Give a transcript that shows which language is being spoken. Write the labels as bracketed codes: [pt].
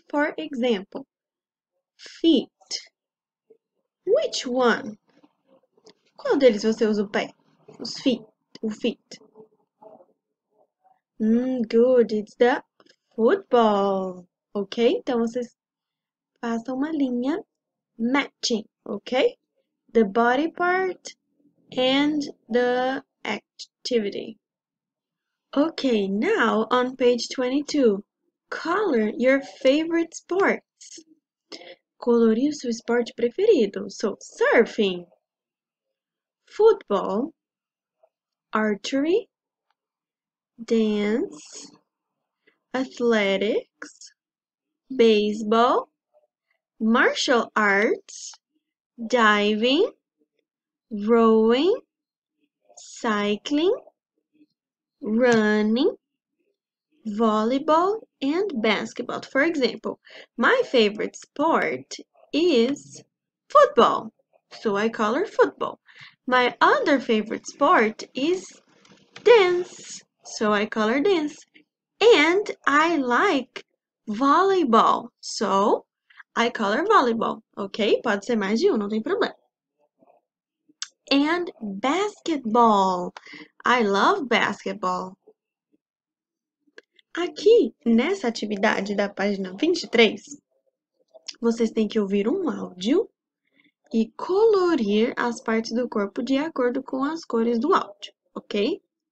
[en] For example, feet. Which one? [pt] Qual deles você usa o pé? Os feet. O feet. Good. [en] It's the football. Ok? [pt] Então vocês façam uma linha matching, ok? [en] The body part and the activity. Okay, now on page 22, color your favorite sports. [pt] Colorir seu esporte preferido. [en] So, surfing, football, archery, dance, athletics, baseball, martial arts, diving, rowing, cycling, running, volleyball, and basketball. For example, my favorite sport is football, so I call her football. My other favorite sport is dance, so I call her dance. And I like volleyball, so I call her volleyball. [pt] Okay, pode ser mais de um, não tem problema. [en] And basketball. I love basketball. [pt] Aqui nessa atividade da página 23, vocês têm que ouvir um áudio e colorir as partes do corpo de acordo com as cores do áudio, ok?